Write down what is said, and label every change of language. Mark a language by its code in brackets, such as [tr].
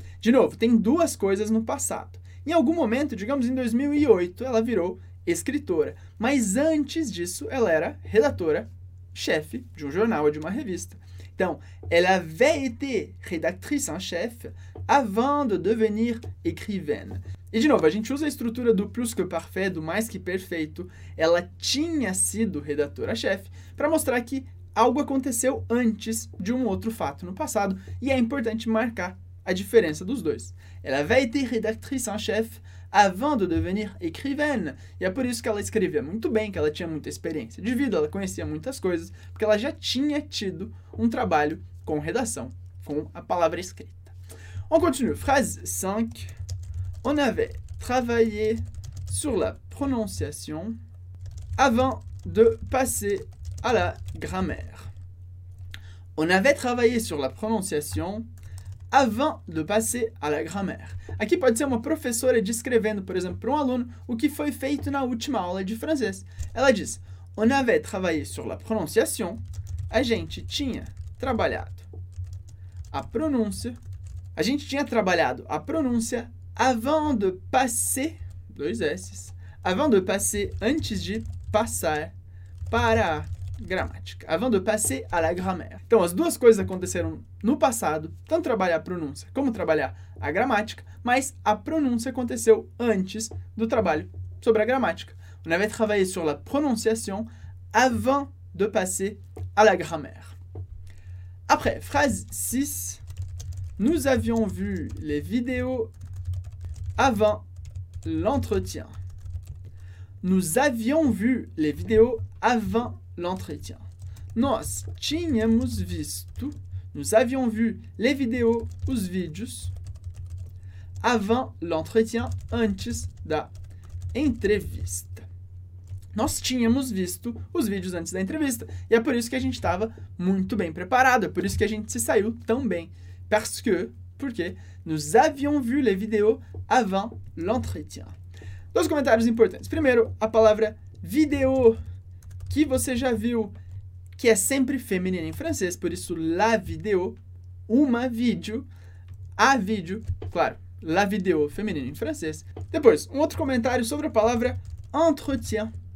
[pt] De novo, tem duas coisas no passado. Em algum momento, digamos em 2008, ela virou escritora, mas antes disso, ela era redatora-chefe de um jornal ou de uma revista. [fr] Então, elle avait été rédactrice en chef avant de devenir écrivaine. [pt] E de novo, a gente usa a estrutura do plus que parfait, do mais que perfeito. Ela tinha sido redatora-chefe para mostrar que algo aconteceu antes de um outro fato no passado. E é importante marcar a diferença dos dois. [fr] Elle avait été rédactrice en chef avant de devenir écrivaine. [pt] E é por isso que ela escrevia muito bem, que ela tinha muita experiência de vida, ela conhecia muitas coisas, porque ela já tinha tido um trabalho com redação, com a palavra escrita. [fr] On continue. Phrase 5. On avait travaillé sur la prononciation avant de passer à la grammaire. On avait travaillé sur la prononciation avant de passer à la grammaire. [pt] Aqui pode ser uma professora descrevendo, por exemplo, para um aluno, o que foi feito na última aula de francês. Ela diz, [fr] on avait travaillé sur la prononciation, [pt] a gente tinha trabalhado a pronúncia, a gente tinha trabalhado a pronúncia [fr] avant de passer, [pt] dois S, avant de passer, antes de passar para a gramática. [fr] Avant de passer à la grammaire. [pt] Então, as duas coisas aconteceram no passado, tanto trabalhar a pronúncia como trabalhar a gramática, mas a pronúncia aconteceu antes do trabalho sobre a gramática. [fr] On avait travaillé sur la prononciation avant de passer à la grammaire. Après, phrase 6. Nous avions vu les vidéos avant l'entretien. Nous avions vu les vidéos avant l'entretien. [pt] Nós tínhamos visto, [fr] nous avions vu les vidéos, [pt] os vídeos, [fr] avant l'entretien, [pt] antes da entrevista. Nós tínhamos visto os vídeos antes da entrevista, e é por isso que a gente estava muito bem preparado, é por isso que a gente se saiu tão bem. [fr] Parce que, porque, nous avions vu les vidéos avant l'entretien. [pt] Dois comentários importantes. Primeiro, a palavra vidéo, que você já viu, que é sempre feminina em francês, por isso la vidéo, uma vídeo, a vídeo, claro, la vidéo, feminina em francês. Depois, um outro comentário sobre a palavra entretien.